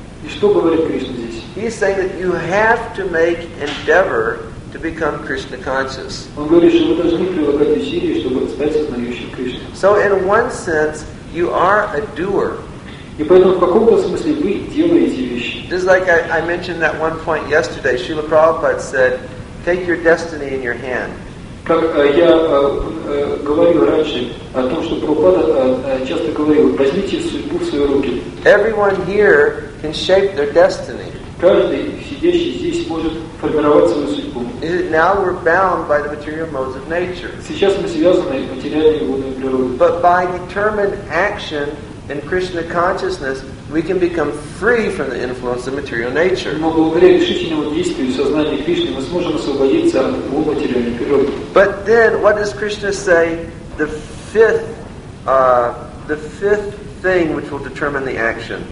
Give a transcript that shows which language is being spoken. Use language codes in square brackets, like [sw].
[en] He's saying that you have to make endeavor to become Krishna conscious. So in one sense, you are a doer. [ru] И поэтому в каком-то смысле вы делаете вещи. [en] Just like I mentioned that one point yesterday, Srila Prabhupada said, take your destiny in your hand. [ru] Как я говорил раньше о том, что Прабхупада часто говорил, возьмите судьбу в свои руки. [en] Everyone here can shape their destiny. [ru] Каждый сидящий здесь может формировать свою судьбу. [en] Is it, now we're bound by the material modes of nature. [ru] Сейчас мы связаны материальными модами природы. [en] But by determined action in Krishna consciousness, we can become free from the influence of material nature. But then, what does Krishna say? The fifth thing which will determine the action.